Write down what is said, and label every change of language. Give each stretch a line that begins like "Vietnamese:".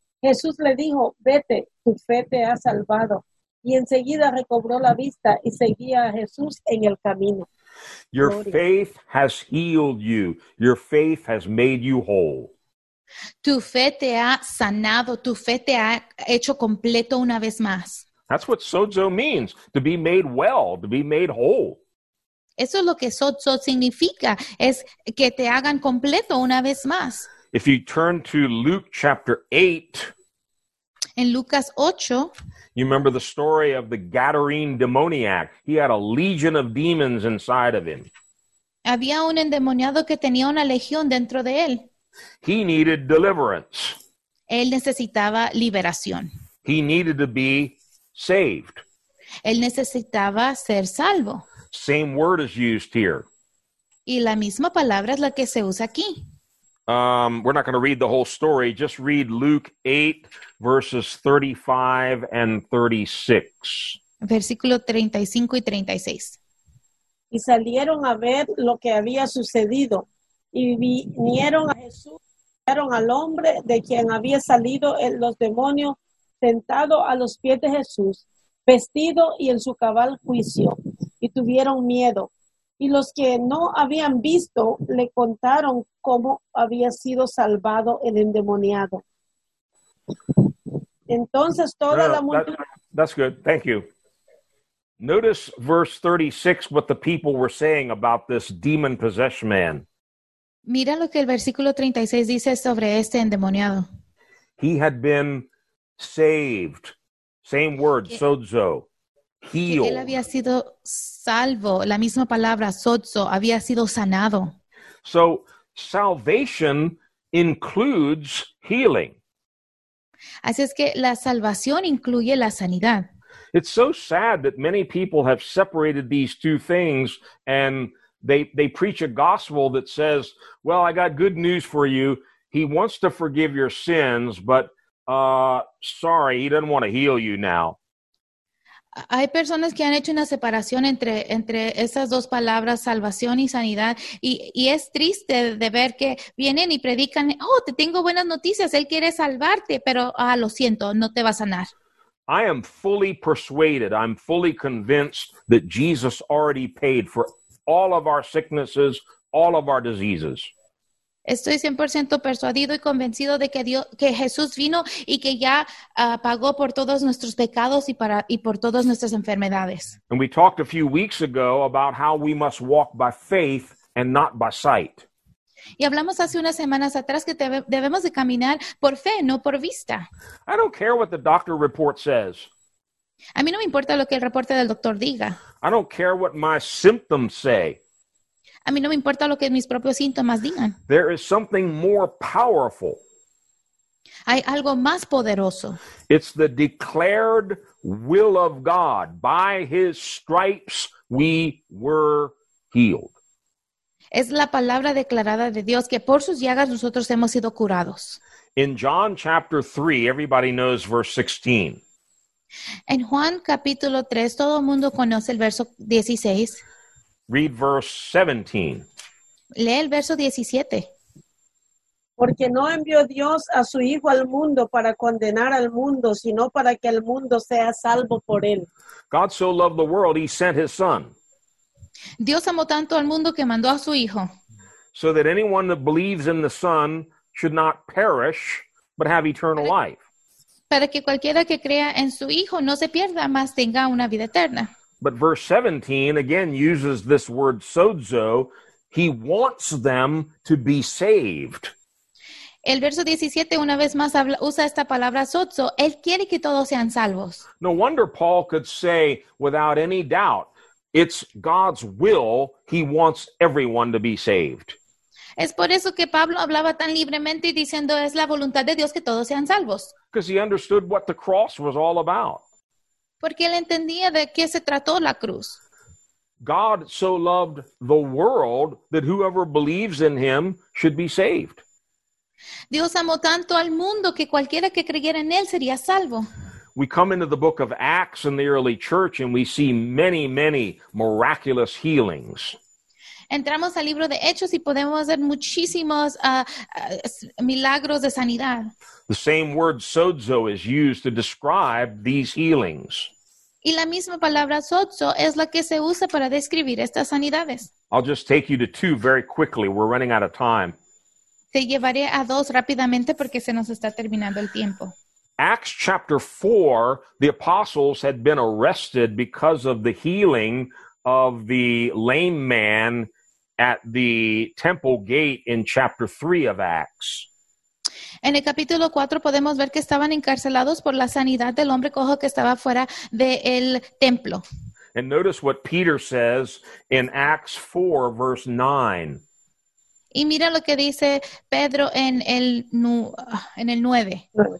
Spanish: Jesús le dijo, vete, tu fe te ha salvado. Y enseguida recobró la vista y seguía a Jesús en el camino.
English: Your faith has healed you. Your faith has made you whole.
Spanish: Tu fe te ha sanado. Tu fe te ha hecho completo una vez más.
English: That's what sozo means, to be made well, to be made whole.
Spanish: Eso es lo que sozo significa, es que te hagan completo una vez más.
English: If you turn to Luke chapter 8.
Spanish: En Lucas 8.
English: You remember the story of the Gadarene demoniac. He had a legion of demons inside of him.
Spanish: Había un endemoniado que tenía una legión dentro de él.
English: He needed deliverance.
Spanish: Él necesitaba liberación.
English: He needed to be saved.
Spanish: Él necesitaba ser salvo.
English: Same word is used here.
Spanish: Y la misma palabra es la que se usa aquí.
English: We're not going to read the whole story. Just read Luke 8, verses 35 and 36.
Spanish: Versículo 35 y 36. Y salieron a ver lo que había sucedido. Y vinieron a Jesús y vieron al hombre de quien había salido los demonios sentado a los pies de Jesús, vestido y en su cabal juicio. Y tuvieron miedo. Y los que no habían visto le contaron cómo había sido salvado el endemoniado. Entonces toda la multitud.
English: That's good. Thank you. Notice verse 36, what the people were saying about this demon-possessed man.
Spanish: Mira lo que el versículo 36 dice sobre este endemoniado.
English: He had been saved. Same word, sozo. Healed.
Spanish: Él había sido salvo. La misma palabra, sozo, había sido sanado.
English: So, salvation includes healing.
Spanish: Así es que la salvación incluye la sanidad.
English: It's so sad that many people have separated these two things and they preach a gospel that says, well, I got good news for you. He wants to forgive your sins, but sorry, he doesn't want to heal you now.
Spanish: Hay personas que han hecho una separación entre esas dos palabras, salvación y sanidad, y es triste de ver que vienen y predican, oh, te tengo buenas noticias, él quiere salvarte, pero lo siento, no te va a sanar.
English: I am fully persuaded, I'm fully convinced that Jesus already paid for all of our sicknesses, all of our diseases.
Spanish: Estoy 100% persuadido y convencido de que Jesús vino y que ya pagó por todos nuestros pecados y por todas nuestras enfermedades.
English: And we talked a few weeks ago about how we must walk by faith and not by sight.
Spanish: Y hablamos hace unas semanas atrás que debemos de caminar por fe, no por vista.
English: I don't care what the doctor report says.
Spanish: A mí no me importa lo que el reporte del doctor diga.
English: I don't care what my symptoms say.
Spanish: A mí no me importa lo que mis propios síntomas digan.
English: There is something more powerful.
Spanish: Hay algo más poderoso.
English: It's the declared will of God. By his stripes we were healed.
Spanish: Es la palabra declarada de Dios que por sus llagas nosotros hemos sido curados.
English: In John chapter 3, everybody knows verse 16.
Spanish: En Juan capítulo 3, todo el mundo conoce el verso 16.
English: Read verse 17.
Spanish: Lee el verso 17. Porque no envió Dios a su Hijo al mundo para condenar al mundo, sino para que el mundo sea salvo por él.
English: God so loved the world, he sent his son.
Spanish: Dios amó tanto al mundo que mandó a su Hijo.
English: So that anyone that believes in the Son should not perish, but have eternal life.
Spanish: Para que cualquiera que crea en su Hijo no se pierda, mas tenga una vida eterna.
English: But verse 17 again uses this word sozo. He wants them to be saved.
Spanish: El verso 17 una vez más usa esta palabra sozo. Él quiere que todos sean salvos.
English: No wonder Paul could say without any doubt, it's God's will. He wants everyone to be saved.
Spanish: Es por eso que Pablo hablaba tan libremente diciendo es la voluntad de Dios que todos sean salvos.
English: Because he understood what the cross was all about.
Spanish: Porque él entendía de qué se trató la cruz.
English: God so loved the world that whoever believes in him should be saved.
Spanish: Dios amó tanto al mundo que cualquiera que creyera en él sería salvo.
English: We come into the book of Acts in the early church and we see many, many miraculous healings.
Spanish: Entramos al libro de Hechos y podemos ver muchísimos milagros de sanidad.
English: The same word sozo is used to describe these healings.
Spanish: Y la misma palabra sozo es la que se usa para describir estas sanidades.
English: I'll just take you to two very quickly. We're running out of time.
Spanish: Te llevaré a dos rápidamente porque se nos está terminando el tiempo.
English: Acts chapter 4, the apostles had been arrested because of the healing of the lame man at the temple gate in chapter 3 of Acts.
Spanish: En el capítulo 4 podemos ver que estaban encarcelados por la sanidad del hombre cojo que estaba fuera del templo.
English: And notice what Peter says in Acts 4, verse 9.
Spanish: Y mira lo que dice Pedro en el 9.